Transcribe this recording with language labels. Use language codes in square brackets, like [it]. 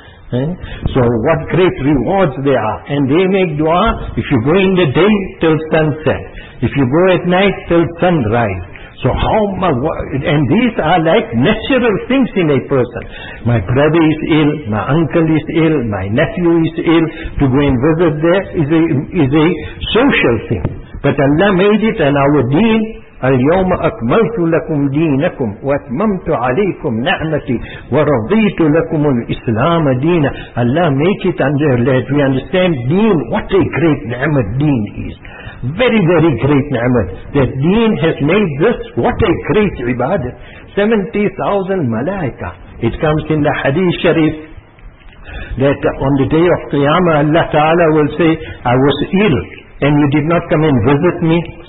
[en] So what great rewards they are. And they make dua, if you go in the day till sunset, if you go at night till sunrise. So how much, and these are like natural things in a person. My brother is ill, my uncle is ill, my nephew is ill. To go and visit there is a social thing. But Allah made it and our deen, [ar] اليوم أكملت لكم دينكم وأتممت عليكم نعمتي ورضيت لكم الإسلام دينا. [en] Allah make it under that we understand deen, what a great ni'mat deen is. Very, very great ni'mat. That deen has made this, what a great ibadah. 70,000 malaika. It comes in the hadith sharif that on the day of Qiyamah Allah Ta'ala will say, I was ill and you did not come and visit me.